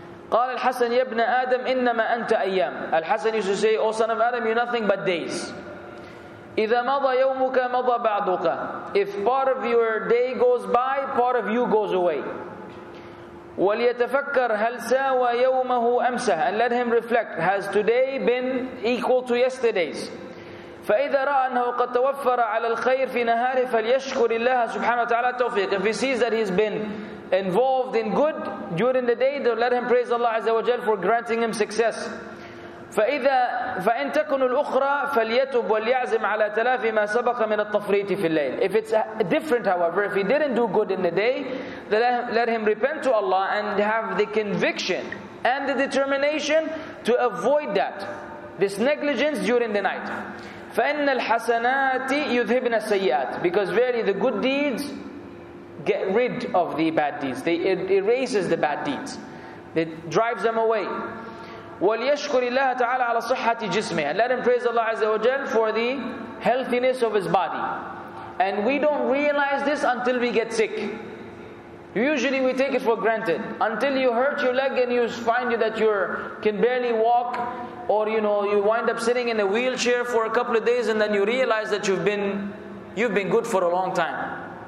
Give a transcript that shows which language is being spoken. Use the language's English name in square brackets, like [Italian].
[Arabic] قال الحسن يا ابن آدم إنما أنت أيام. [English] الحسن used to say, oh son of Adam, you're nothing but days. [Arabic] إذا مضى يومك مضى بعضك. [English] If part of your day goes by, part of you goes away. [Arabic] وليتفكر هل ساوى يومه أمسه. [English] And let him reflect, has today been equal to yesterday's. [Arabic] فإذا رأى أنه قد توفر على الخير في نهاره فليشكر الله سبحانه وتعالى التوفيق. [English] If he sees that he's been involved in good during the day, then let him praise Allah Azza wa Jal for granting him success. [Arabic] فإن تكن الأخرى فليتب وليعزم على تلافي ما سبق من التفريط في الليل. [English] If it's different, however, if he didn't do good in the day, then let him repent to Allah and have the conviction and the determination to avoid that, this negligence during the night. [Arabic] فإن الحسنات يذهبن السيئات. [English] Because verily the good deeds get rid of the bad deeds. It erases the bad deeds. It drives them away. [Arabic] وليشكر الله تعالى على صحة جسمه. [English] And let him praise Allah Azza wa Jal for the healthiness of his body. And we don't realize this until we get sick. Usually we take it for granted. Until you hurt your leg and you find that you can barely walk, or you wind up sitting in a wheelchair for a couple of days, and then you realize that you've been good for a long time.